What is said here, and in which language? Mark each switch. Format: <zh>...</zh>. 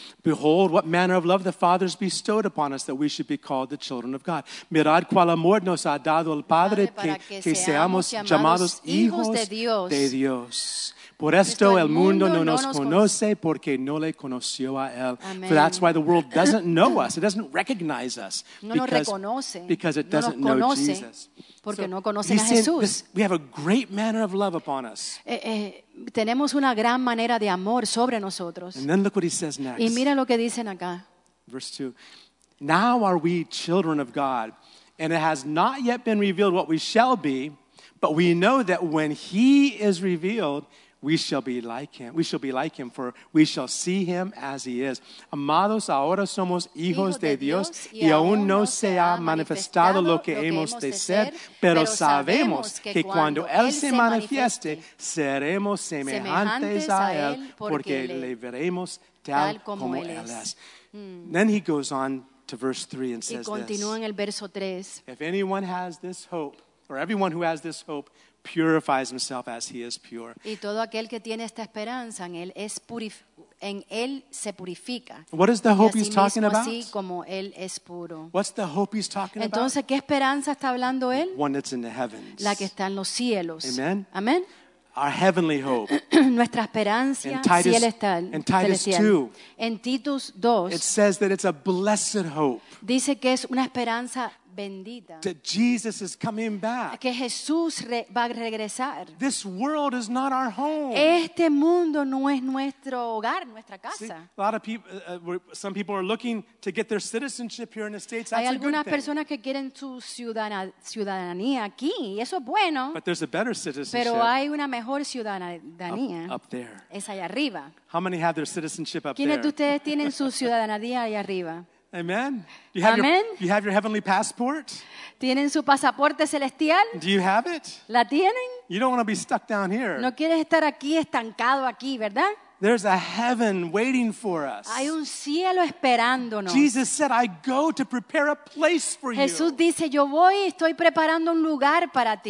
<en>Behold, what manner of love the Father has bestowed upon us that we should be called the children of God.</en> <es>Mirad cuál amor nos ha dado el Padre que seamos llamados hijos de Dios. Por esto el mundo no nos conoce porque no le conoció a él. Amen.</es> <en>For that's why the world doesn't know us. It doesn't recognize us. Because it doesn't know Jesus.</en> <es>Porque no conocen a Jesús.</es> <en>We have a great manner of love upon us.</en> <es>Tenemos una gran manera de amor sobre nosotros.</es> <en>And then look what he says next.</en> <es>Y mira lo que dicen acá.</es> <en>Verse 2. Now are we children of God, and it has not yet been revealed what we shall be, But we know that when he is revealed, we shall be like him. We shall be like him, for we shall see him as he is.</en> <es>Amados, ahora somos hijos de Dios, y aún no se ha manifestado lo que hemos de ser, pero sabemos que cuando él se manifieste, seremos semejantes a él, porque le veremos tal como él es.</es> <en>Then he goes on to verse 3 and says this. If anyone has this hope, or everyone who has this hope, purifies himself as he is pure.</en> <es>Y todo aquel que tiene esta esperanza en él es en él se purifica.</es> <en>What is the hope he's talking about?</en> <es>Así como él es puro.</es> <en>What's the hope he's talking about?</en> <es>Entonces, ¿qué esperanza está hablando él?</es> <en>One that's in the heavens.</en> <es>La que está en los cielos. Amen. Amen.</es> <en>Our heavenly hope.</en> <es>Nuestra esperanza celestial.</es> <en>In Titus 2.</en> <es>En Titus 2.</es> <en>It says that it's a blessed hope.</en> <es>Dice que es una esperanza bendita.</es> <en>That Jesus is coming back.</en> <es>Que Jesús va a regresar.</es> <en>This world is not our home.</en> <es>Este mundo no es nuestro hogar, nuestra casa.</es> <en>See, a lot of people, some people are looking to get their citizenship here in the States. That's</en> <es>Hay algunas personas que quieren su ciudadanía aquí, y eso es bueno.</es> <en>But there's a better citizenship.</en> <es>Pero hay una mejor ciudadanía.</es> <en>Up there.</en> <es>Es allá arriba.</es> <en>How many have their citizenship up</en> <es>¿Quiénes ¿Quiénes de ustedes tienen su ciudadanía allá arriba? Amen.</es> <en>Do you have Amen. Your, you have your heavenly passport?</en> <es>¿Tienen su pasaporte celestial?</es> <en>Do you have it?</en> <es>¿La tienen?</es> <en>You don't want to be stuck down here.</en> <es>No quieres estar aquí estancado aquí, ¿verdad?</es> <en>There's a heaven waiting for us.</en> <es>Hay un cielo esperándonos.</es> <en>Jesus said, I go to prepare a place for you.</en> <es>Jesús dice, yo voy, estoy preparando un lugar para ti.</es>